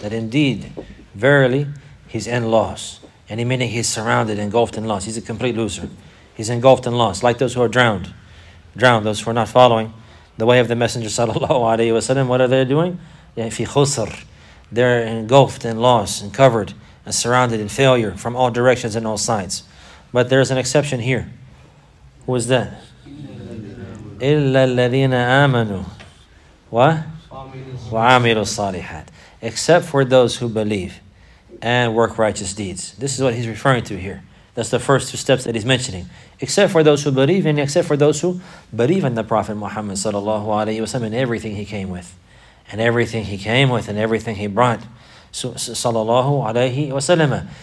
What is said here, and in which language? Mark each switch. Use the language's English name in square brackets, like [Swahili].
[English] That indeed, verily, he's in loss. And meaning he's surrounded, engulfed in loss. He's a complete loser. He's engulfed in loss. Like those who are drowned. Drowned, those who are not following the way of the Messenger sallallahu alayhi wa sallam. What are they doing? [Arabic] فِي خُسْرٍ. [English] They're engulfed in loss and covered and surrounded in failure from all directions and all sides. But there's an exception here. Who is that? [Arabic] إِلَّا الَّذِينَ آمَنُوا [English] what? [Arabic] وَعَمِلُوا الصَّالِحَاتِ. [English] Except for those who believe and work righteous deeds. This is what he's referring to here. That's the first two steps that he's mentioning. Except for those who believe, and except for those who believe in the Prophet Muhammad sallallahu alayhi wa sallam and everything he came with. And everything he came with and everything he brought. Sallallahu alayhi wa sallam.